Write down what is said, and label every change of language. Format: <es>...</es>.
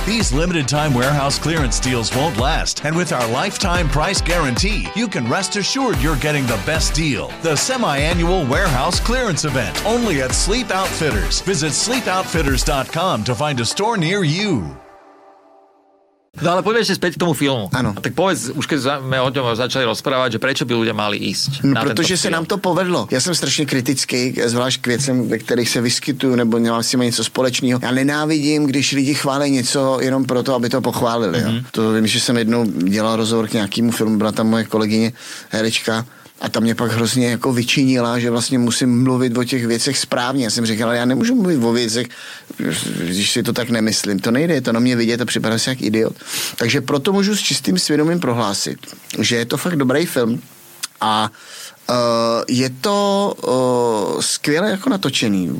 <en>These limited-time warehouse clearance deals won't last, and with our lifetime price guarantee, you can rest assured you're getting the best deal. The semi-annual warehouse clearance event, only at Sleep Outfitters. Visit sleepoutfitters.com to find a store near you.</en> <sk>No ale poďme ešte späť k tomu filmu. Áno. Tak povedz, už keď sme o ňom začali rozprávať, že prečo by ľudia mali ísť. No, pretože sa nám to povedlo. Ja som strašne kritický, zvlášť k veciam, ve ktorých sa vyskytujú, nebo nemám s tým niečo spoločného.</sk> <cs>Ja nenávidím, když lidi chválí niečo jenom proto, aby to pochválili. Mm-hmm. Jo.</cs> <sk>To viem, že som</sk> <cs>jednou dělal rozhovor k nejakému filmu, byla tam moje kolegyně herečka. A tam mě pak hrozně jako vyčinila, že vlastně musím mluvit o těch věcech správně. Já jsem říkal, ale já nemůžu mluvit o věcech, když si to tak nemyslím. To nejde, to na mě vidět a připadá se jak idiot. Takže proto můžu s čistým svědomím prohlásit, že je to fakt dobrý film a je to skvěle jako natočený.</cs>